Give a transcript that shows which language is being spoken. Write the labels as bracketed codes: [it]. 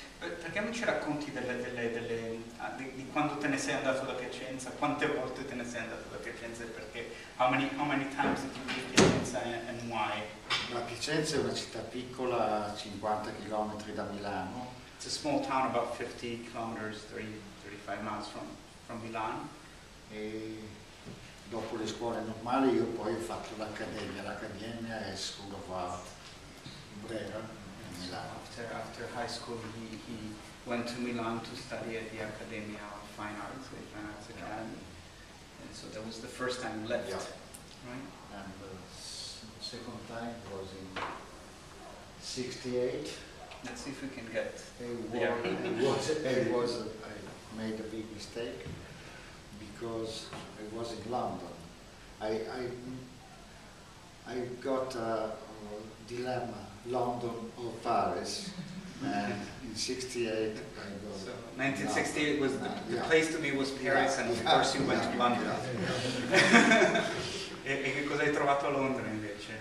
[it] Perché non ci racconti di quando te ne sei andato da Piacenza, quante volte te ne sei andato da Piacenza e perché? [en] How many times have you been to Piacenza and why? [it] La Piacenza è una città piccola, 50 km da Milano. [en] It's a small town about 50 kilometers, 35 miles from Milan. [it] E dopo le scuole normali io poi ho fatto l'Accademia. L'Accademia è [en] School of Art in Brera. After high school, he went to Milan to study at the Accademia of Fine Arts, the Fine Arts Academy. Yeah. And so that was the first time he left, yeah. Right? And the second time was in 68. Let's see if we can get I made a big mistake because I was in London. I got a dilemma. London or Paris, and in 68 I go. So 1968 was the place to be was Paris, and of course you went to London. [it] E che cosa hai trovato a Londra invece?